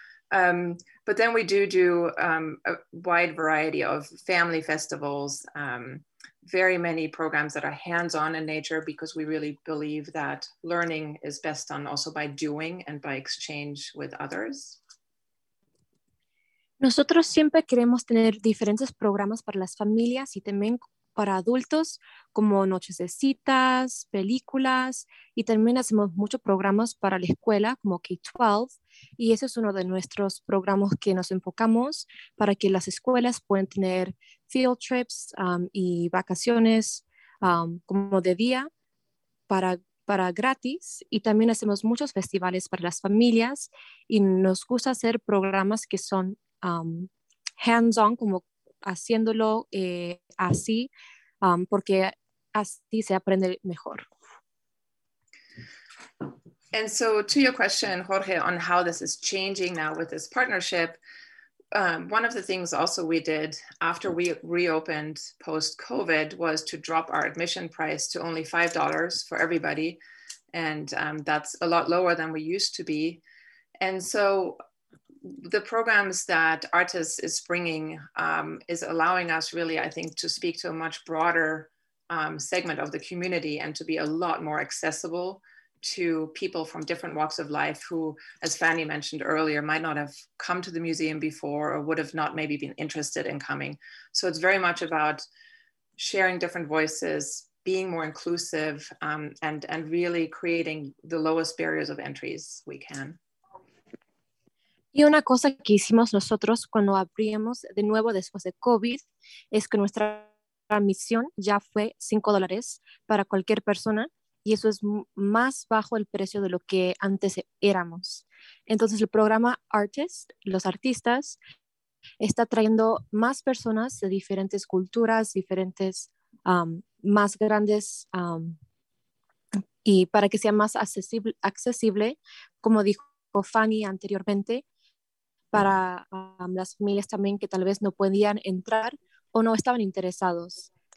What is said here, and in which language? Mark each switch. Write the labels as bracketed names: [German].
[English] But then we do a wide variety of family festivals, very many programs that are hands-on in nature, because we really believe that learning is best done also by doing and by exchange with others. [Spanish] Nosotros siempre queremos tener diferentes programas para las familias y también para adultos, como noches de citas, películas, y también hacemos muchos programas para la escuela, como K-12, y ese es uno de nuestros programas que nos enfocamos para que las escuelas puedan tener [English] field trips [Spanish] y vacaciones como de día para gratis, y también hacemos muchos festivales para las familias, y nos gusta hacer programas que son hands-on, como haciéndolo así, porque así se aprende mejor. [English] And so to your question, Jorge, on how this is changing now with this partnership, one of the things also we did after we reopened post-COVID was to drop our admission price to only $5 for everybody. And that's a lot lower than we used to be. And so the programs that Artis is bringing is allowing us really, I think, to speak to a much broader segment of the community and to be a lot more accessible to people from different walks of life who, as Fanny mentioned earlier, might not have come to the museum before or would have not maybe been interested in coming. So it's very much about sharing different voices, being more inclusive, and really creating the lowest barriers of entries we can. [Spanish] Y una cosa que hicimos nosotros cuando abrimos de nuevo después de COVID es que nuestra admisión ya fue $5 para cualquier persona, y eso es más bajo el precio de lo que antes éramos. Entonces el programa Artist, los artistas, está trayendo más personas de diferentes culturas, diferentes, más grandes, y para que sea más accesible, como dijo Fanny anteriormente, para las familias también que tal vez no podían entrar o no estaban interesados.